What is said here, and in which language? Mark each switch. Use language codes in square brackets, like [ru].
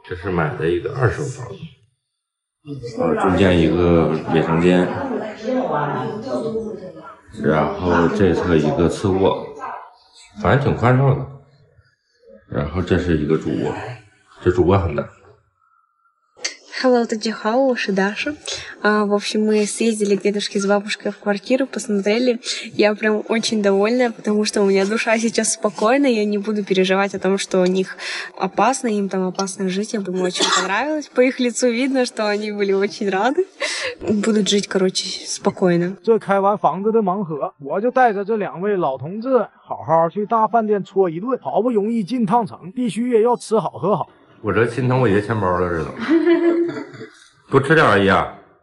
[zh] 这是买的一个二手房子，中间一个卫生间，然后这侧一个次卧。反正挺宽敞的，然后这是一个主卧，这主卧很大。 Hello， 大家好，我是 Даша。 [ru] В общем, мы съездили к дедушке с бабушкой в квартиру, посмотрели. Я прям очень довольна, потому что у меня душа сейчас спокойна, я не буду переживать о том, что у них опасно, им там опасно жить. Я думаю, очень понравилось. По их лицу видно, что они были очень рады. Будут жить, короче, спокойно. [zh] 这开完房子的盲盒，我就带着这两位老同志好好去大饭店搓一顿。好不容易进趟城，必须也要吃好喝好。我这心疼我爷钱包了似的，多吃点而已啊！啊，